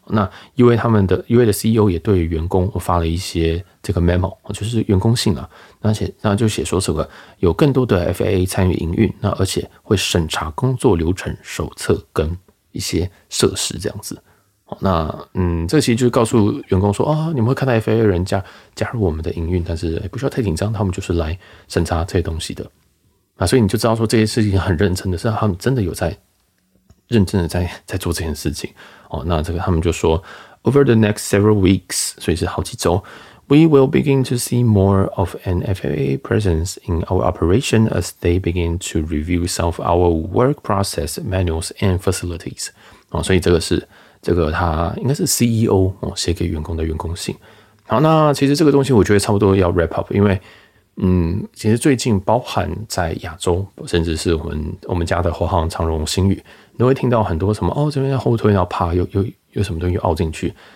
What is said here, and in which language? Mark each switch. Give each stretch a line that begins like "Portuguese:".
Chinese: 那 UA 他们的 UA 的 CEO 也对员工发了一些这个 memo， 就是员工信啊，那就写说这个有更多的 FAA 参与营运，那而且会审查工作流程手册跟一些设施这样子。那这其实就是告诉员工说啊，你们会看到 FAA 人家加入我们的营运，但是不需要太紧张，他们就是来审查这些东西的。那所以你就知道说这些事情很认真的，是他们真的有在认真的在做这件事情。哦，那这个他们就说 ,
English: Over the next several weeks,
Chinese: 所以是好几周 ,
English: we will begin to see more of an FAA presence in our operation as they begin to review some of our work process manuals and facilities.
Chinese: 哦，所以这个他应该是 CEO 写给员工的员工信。好，那其实这个东西我觉得差不多要 wrap up， 因为其实最近包含在亚洲甚至是我们家的华航长荣星宇，你都会听到很多什么哦，这边要后退，然后怕又什么东西又凹进去，